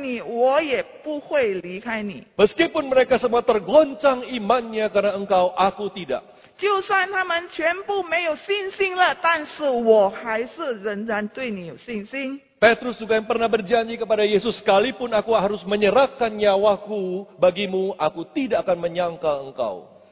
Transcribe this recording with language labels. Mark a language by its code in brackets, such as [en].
[zh] 彼得曾经对主耶稣承诺说，就算其他的人全部离开你，我也不会离开你。 [id] Meskipun mereka semua tergoncang imannya karena engkau, aku tidak. [zh] 就算他们全部没有信心了，但是我还是仍然对你有信心。 [id] Petrus juga yang pernah berjanji kepada Yesus, sekalipun aku harus menyerahkan nyawaku bagimu, aku tidak akan menyangkal engkau.